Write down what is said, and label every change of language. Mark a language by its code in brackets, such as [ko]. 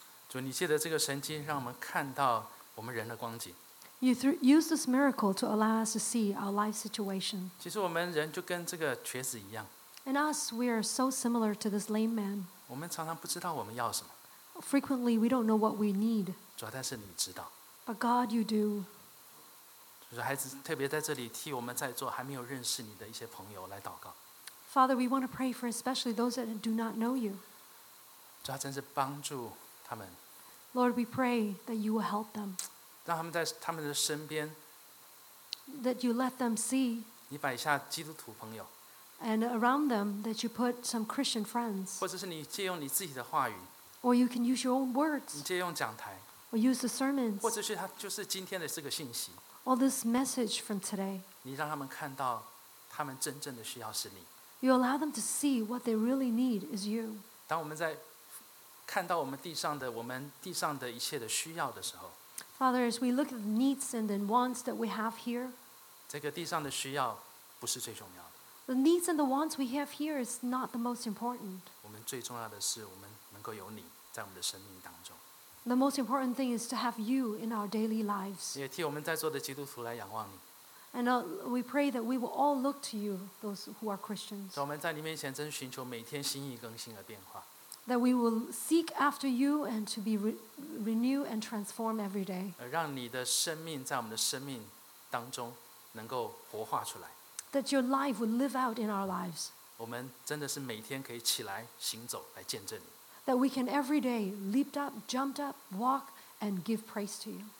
[zh] 主，你借着这个神迹，让我们看到我们人的光景。 [en] You use this miracle to allow us to see our life situation. [zh] 其实我们人就跟这个瘸子一样。 [en] And us, we are so similar to this lame man. [zh] 我们常常不知道我们要什么。 [en] Frequently, we don't know what we need. [zh] 主，但是你知道。 [en] But God, you do. [zh] 主，孩子，特别在这里替我们在座还没有认识你的一些朋友来祷告。 [en] Father, we want to pray for especially those that do not know you. [zh] 主，真是帮助他们。 [en] Lord, we pray that you will help them. [zh] 让他们在他们的身边。 [en] That you let them see. [zh] 你摆下基督徒朋友。 [en] And around them, that you put some Christian friends. [zh] 或者是你借用你自己的话语。 [en] Or you can use your own words. [zh] 你借用讲台。 [en] Or use the sermons. [zh] 或者是他就是今天的这个信息。 [en] Or this message from today. [zh] 你让他们看到他们真正的需要是你。 [en] You allow them to see what they really need is you. [zh] 当我们在看到我们地上的我们地上的一切的需要的时候 [en] ，Father, as we look at the needs and the wants that we have here, [zh] 这个地上的需要不是最重要的。 [en] The needs and the wants we have here is not the most important. [zh] 我们最重要的是我们能够有你在我们的生命当中。 [en] The most important thing is to have you in our daily lives. [zh] 也替我们在座的基督徒来仰望你。 [en] And we pray that we will all look to you, those who are Christians. [zh] 我们在你面前真寻求每天心意更新的变化。 [en] That we will seek after you and to be renew and transform every day. [zh] 让你的生命在我们的生命当中能够活化出来。 [en] That your life will live out in our lives. [zh] 我们真的是每天可以起来行走来见证你。 [en] That we can every day leap up, jump up, walk and give praise to you.